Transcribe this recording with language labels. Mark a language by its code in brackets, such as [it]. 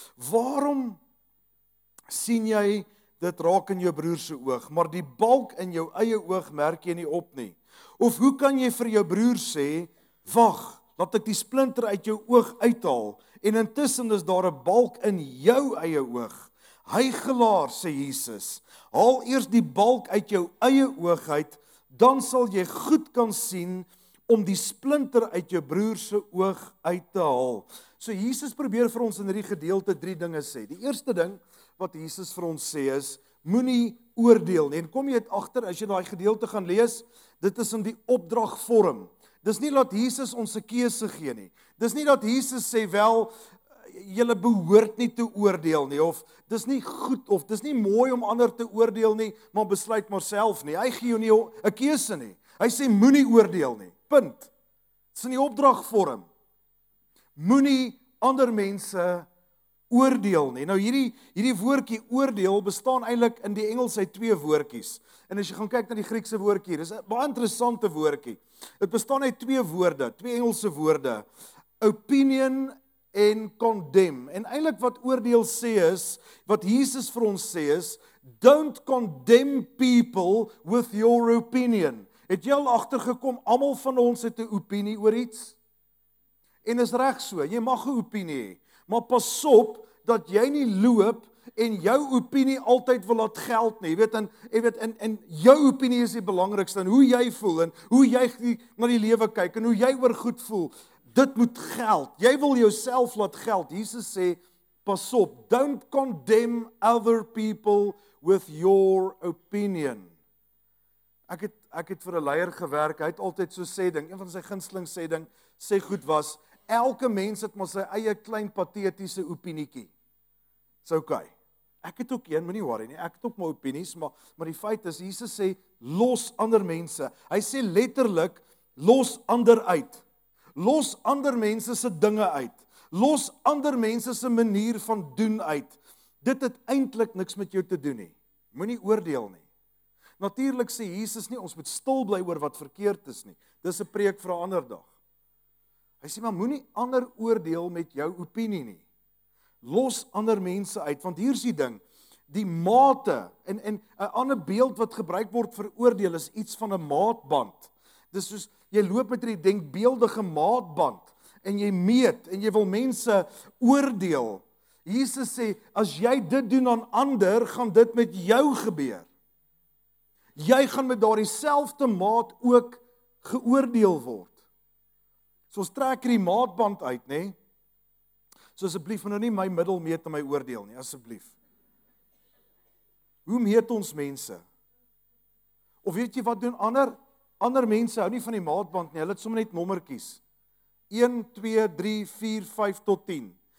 [af] Waarom sien jy dit raak in jou broer se oog, maar die balk in jou eie oog merk jy nie op nie? Of hoe kan jy vir jou broer sê, wag, laat ek die splinter uit jou oog uithaal, en intussen is daar 'n balk in jou eie oog? Huigelaar, sê Jesus, haal eers die balk uit jou eie oog uit, dan sal jy goed kan sien, om die splinter uit jou broer se oog uit te haal. So Jesus probeer vir ons in hierdie gedeelte 3 dinge sê. Die eerste ding wat Jesus vir ons sê is, moenie oordeel nie. En kom jy agter, as jy daai gedeelte gaan lees, dit is in die opdragvorm. Dis nie dat Jesus ons 'n keuse gee nie. Dis nie dat Jesus sê, wel, julle behoort nie te oordeel nie, of dis nie goed, of dis nie mooi om ander te oordeel nie, maar besluit maar self nie. Hy gee jou nie 'n keuse nie. Hy sê, moenie oordeel nie. Punt. Dit is in die opdragvorm. Moenie ander mense oordeel nie. Nou hierdie woordjie oordeel bestaan eintlik in die Engels uit 2 woordjies. En as jy gaan kyk na die Griekse woordjie, dis 'n baie interessante woordjie. Dit bestaan uit 2 woorde, 2 Engelse woorde. Opinion en condemn. En eintlik wat oordeel sê is, wat Jesus vir ons sê is, [en] don't condemn people with your opinion. [af] Het jy al agtergekom, almal van ons het 'n opinie oor iets? En is reg so, jy mag 'n opinie hê, maar pas op dat jy nie loop en jou opinie altyd wil laat geld nie. Jy weet, en jou opinie is die belangrikste, en hoe jy voel, en hoe jy na die lewe kyk, en hoe jy oor goed voel, dit moet geld. Jy wil jouself laat geld. Jesus sê, Pas op, [en] don't condemn other people with your opinion. [af] Ek het vir 'n leier gewerk, hy het altyd so sê ding, een van sy gunsteling sê ding, sê goed was, elke mens het maar sy eie klein patetiese opinietjie. Dis okay. Ek het ook een, moenie worry nie, ek het ook my opinies, maar die feit is, Jesus sê, los ander mense. Hy sê letterlik, los ander uit. Los ander mense se dinge uit. Los ander mense se manier van doen uit. Dit het eintlik niks met jou te doen nie. Moenie oordeel nie. Natuurlik sê Jesus nie, ons moet stil bly oor wat verkeerd is nie. Dis 'n preek vir 'n ander dag. Hy sê, maar moenie ander oordeel met jou opinie nie. Los ander mense uit, want hier is die ding, die mate, en 'n ander beeld wat gebruik word vir oordeel is iets van 'n maatband. Dis soos, jy loop met die denkbeeldige maatband, en jy meet, en jy wil mense oordeel. Jesus sê, as jy dit doen aan ander, gaan dit met jou gebeur. Jy gaan met daardie selfde maat ook geoordeel word. So ons trek hier die maatband uit, nê? So asseblief, nou nie my middel meet aan my oordeel nie, asseblief. Hoe meet ons mense? Of weet jy wat doen ander? Ander mense hou nie van die maatband nie, hulle het sommer net nommertjies. 1, 2, 3, 4, 5 tot 10.